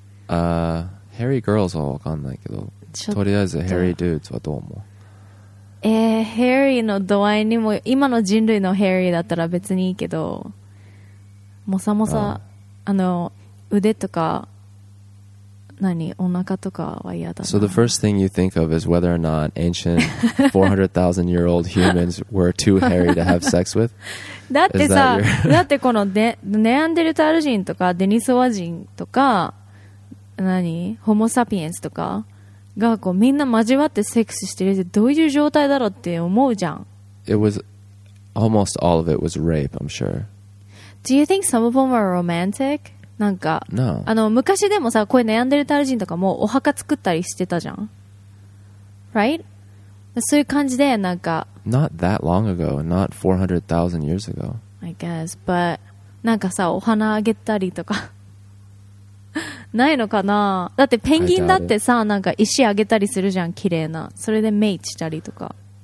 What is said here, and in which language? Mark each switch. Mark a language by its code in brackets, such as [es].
[en] Hairy girls [ja] はわかんないけどとりあえず [en] hairy dudes [ja] はどう思うヘイリーの度合いにも今の人類のヘイリーだったら別にいいけどもさもさ腕とか何お腹とかは嫌だな [en] So the first thing you think of is whether or not ancient 400,000 year old humans were too hairy to have sex with [ja] だってさだってこのネアンデルタール人とかデニソワ人とか何ホモサピエンスとかがこうみんな交わってセックスしてるってどういう状態だろうって思うじゃん [en] It was almost all of it was rape, I'm sure Do you think some of them are romantic? [ja] なんか [en] No [ja] 昔でもさこういうネアンデルタル人とかもお墓作ったりしてたじゃん Right? そういう感じでなんか [en] Not that long ago, not 400,000 years ago I guess, but [ja] なんかさお花あげたりとかないのかなだってペンギンだってさなんか石あげたりするじゃん綺麗なそれでメイチしたりとか